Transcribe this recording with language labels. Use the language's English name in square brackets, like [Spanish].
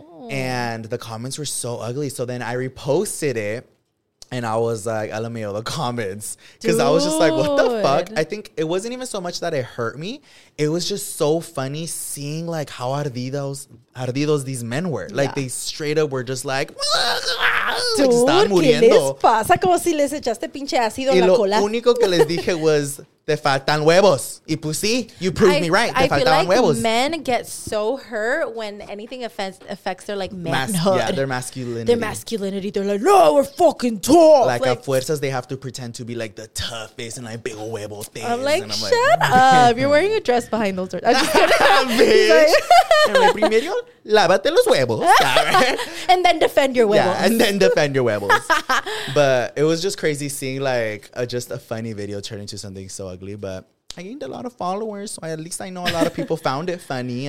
[English] And the comments were so ugly. So then I reposted it. And I was like, LMAO, the comments. Because I was just like, what the fuck? I think it wasn't even so much that it hurt me. It was just so funny seeing like how ardidos these men were. Like yeah, they straight up were just like, [Spanish] dude, like, están muriendo. ¿Qué les pasa? Como si les echaste pinche ácido en la cola. Lo único que les dije was, te faltan huevos. Y pues sí, you proved me right. Te faltan [English] like [Spanish] huevos. [English] Men get so hurt when anything affects their like manhood. Yeah, their masculinity. Their masculinity. They're like, no, we're fucking tough. Like a fuerzas, they have to pretend to be like the toughest and like big huevos. I'm like, shut up. You're wearing a dress behind those doors. I'm just kidding. [Spanish] Primero, lávate los huevos. [English] And then defend your huevos. Yeah, and then defend your huevos. But it was just crazy seeing like just a funny video turn into something so ugly. But I gained a lot of followers, so at least I know a lot of people found it funny.